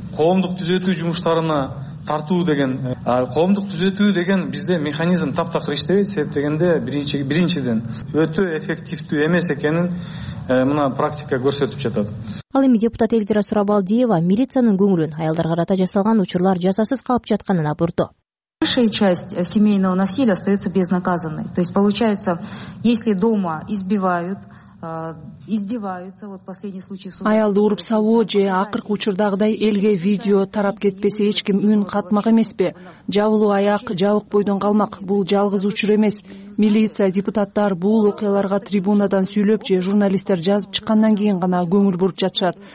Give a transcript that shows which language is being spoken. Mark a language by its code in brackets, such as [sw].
[ky] Коомдук түзөтүү жумуштарына тартуу деген, коомдук түзөтүү деген бизде механизм таптакыр иштебейт, себеп дегенде биринчиден өтө эффективдүү эмес экенин мына практика көрсөтүп жатат. Ал эми депутат Элвира Сурабалдиева милициянын көңүлүн аялдарга карата жасалган учурлар жазасыз калып жатканын абурду. [ru] Большая часть семейного насилия остается безнаказанной. То есть получается, если дома избивают, издеваются, вот последний случай... [ky] Аялды уруп салуу же акыркы учурдагыдай элге видео тарап кетпесе эч ким үн катмак эмес пе? Жабылуу аяк, жабык бойдон калмак, бул жалгыз учур эмес. Милиция, депутаттар бул окуяларга трибунадан сүйлөп же журналисттер жазып чыккандан кийин гана көңүл буруп жатышат.